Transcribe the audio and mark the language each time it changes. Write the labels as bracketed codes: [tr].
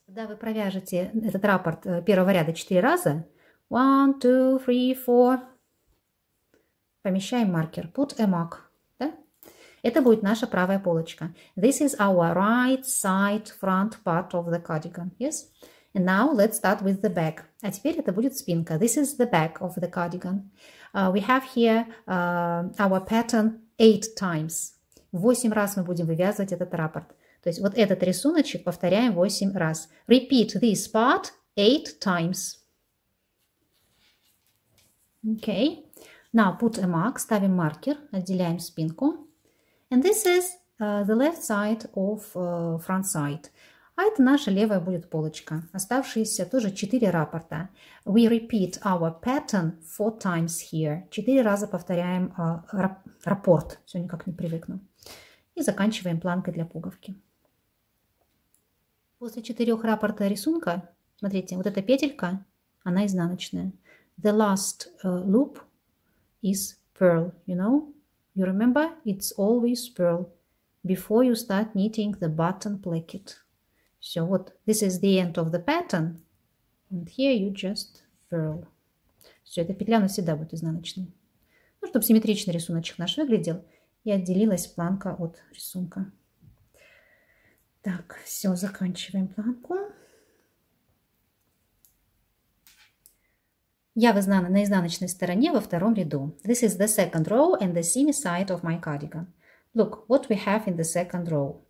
[ru] Когда вы провяжете этот раппорт первого ряда 4 раза, 1, 2, 3, 4, помещаем маркер, [en] put a mark, да? [ru] Это будет наша правая полочка. [en] This is our right side front part of the cardigan, yes? And now let's start with the back. [ru] А теперь это будет спинка. [en] This is the back of the cardigan. We have here our pattern 8 times. [ru] 8 раз мы будем вывязывать этот раппорт. То есть вот этот рисуночек повторяем 8 раз. [en] Repeat this part 8 times. Okay. Now put a mark, [ru] ставим маркер, отделяем спинку. [en] And this is the left side of front side. [ru] А это наша левая будет полочка. Оставшиеся тоже 4 раппорта. [en] We repeat our pattern 4 times here. [ru] 4 раза повторяем раппорт. Все, никак не привыкну. И заканчиваем планкой для пуговки. После 4 раппорта рисунка, смотрите, вот эта петелька, она изнаночная. [en] The last loop is purl, you know? You remember? It's always purl before you start knitting the button placket. So вот, this is the end of the pattern, and here you just purl. [ru] Все, эта петля у нас всегда будет изнаночной. Ну, чтобы симметричный рисуночек наш выглядел, и отделилась планка от рисунка. Так, все, заканчиваем планку. Я в на изнаночной стороне во втором ряду. [en] This is the second row and the seamy side of my cardigan. Look, what we have in the second row.